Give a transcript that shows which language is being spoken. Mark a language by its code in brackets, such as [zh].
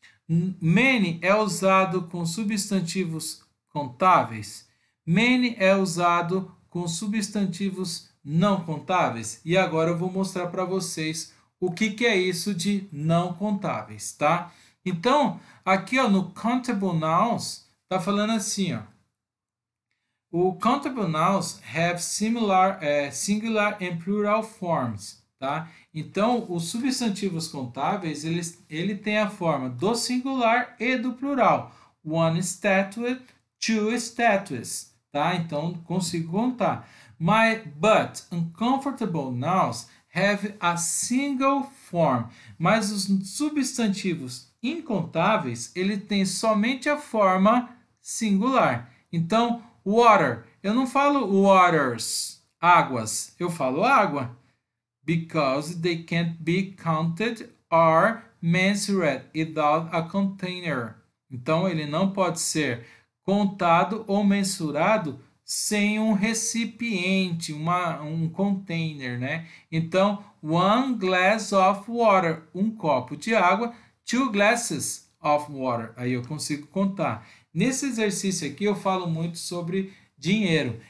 [pt] Many é usado com substantivos contáveis. Many é usado com substantivos não contáveis. E agora eu vou mostrar para vocês o que que é isso de não contáveis, tá? Então, aqui ó, no countable nouns, tá falando assim, ó. [en] O countable nouns have singular and plural forms. [pt] Tá? Então, os substantivos contáveis, ele tem a forma do singular e do plural. [en] One statue, two statues. [pt] Tá? Então, consigo contar. [en] But uncomfortable nouns have a single form. [pt] Mas os substantivos incontáveis, ele tem somente a forma singular. Então, water. Eu não falo waters, águas. Eu falo água. [en] Because they can't be counted or measured without a container. [pt] Então ele não pode ser contado ou mensurado sem um recipiente, um container, né? Então, [en] one glass of water, [pt] um copo de água, [en] two glasses of water. [pt] Aí eu consigo contar. Nesse exercício aqui eu falo muito sobre dinheiro.